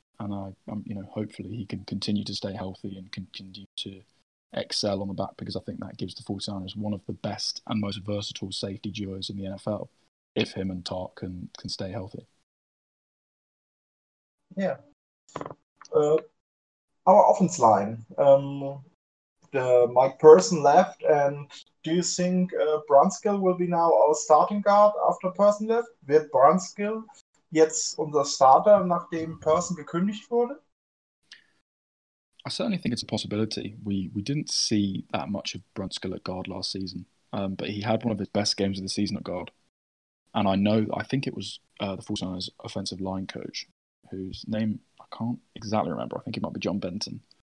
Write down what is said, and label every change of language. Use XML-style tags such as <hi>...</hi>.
<en>And I'm, you know, hopefully he can continue to stay healthy and can continue to excel on the back, because I think that gives the 49ers one of the best and most versatile safety duos in the NFL, if him and Tart can stay healthy. Yeah. Our offense line. Mike Person left, and do you think Brunskill will be now our starting guard after Person left?</en> <de>Wird Brunskill jetzt unser Starter, nachdem Person gekündigt wurde?</de> <en>I certainly think it's a possibility. We didn't see that much of Brunskill at guard last season, but he had one of his best games of the season at guard. And I think it was the 49ers offensive line coach, whose name I can't exactly remember. I think it might be John Benton.</en>